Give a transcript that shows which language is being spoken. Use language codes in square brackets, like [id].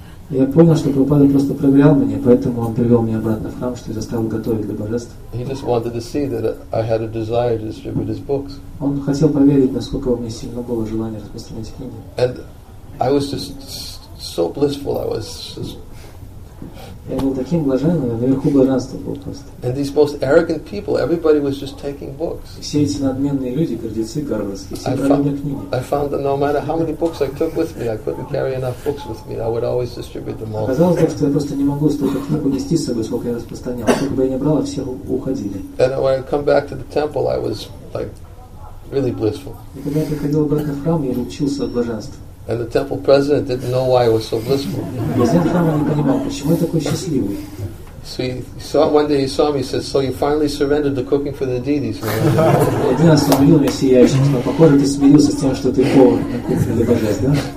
[ru] Я понял, что Прабхупада просто проверял меня, поэтому он привел меня обратно в храм, чтобы заставил готовить для божеств. [en] He just wanted to see that I had a desire to distribute his books. [ru] Он хотел проверить, насколько у меня сильно было желание распространять книги. [en] And I was just so blissful. I was. [ru] Я был таким блаженным, наверху блаженство было просто. [en] And these most arrogant people, everybody was just taking books. [ru] Все эти надменные люди, гордецы, гарвардские, все брали мне книги. [en] I found that no matter how many books I took with me, I couldn't carry enough books with me. I would always distribute them all. [ru] Оказалось, что я просто не могу столько книг унести с собой, сколько я распространял. Сколько бы я ни брал, все уходили. [en] And when I come back to the temple, I was like really blissful. [ru] И когда я приходил обратно в храм, я учился от блаженства. [en] And the temple president didn't know why I was so blissful. So he saw one day. He saw me. He said, "So you finally surrendered to cooking for the deities?" [ru] Один раз он увидел меня сияющим, но похоже, ты смирился с тем, что ты повар на кухне для божеств, да?